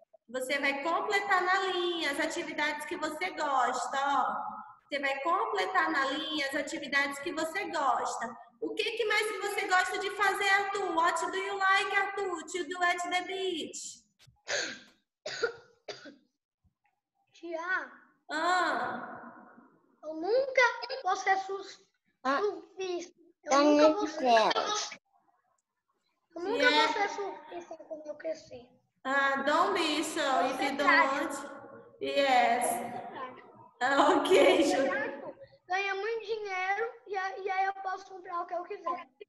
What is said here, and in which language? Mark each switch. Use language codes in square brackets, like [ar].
[pt] Você vai completar na linha as atividades que você gosta, ó. Você vai completar na linha as atividades que você gosta. O que, que mais que você gosta de fazer, Arthur? [en] What do you like, Arthur, to do at the beach? [pt] Tia, ah. Eu nunca vou ser surfista. Eu nunca vou ser surfista quando eu crescer. [en] Ah, don't be so, if you don't want. Yes. Ah, ok, Júlio. [pt] Ganha muito dinheiro e aí eu posso comprar o que eu quiser.